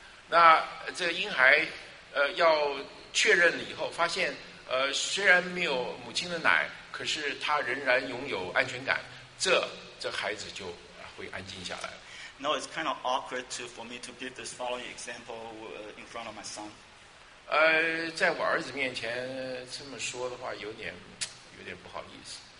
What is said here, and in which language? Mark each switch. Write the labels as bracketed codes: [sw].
[zh] 那这婴孩要确认了以后，发现虽然没有母亲的奶，可是他仍然拥有安全感，这孩子就会安静下来了。 [en] No, it's kind of awkward for me to give this following example in front of my son. [zh] 在我儿子面前这么说的话，有点不好意思。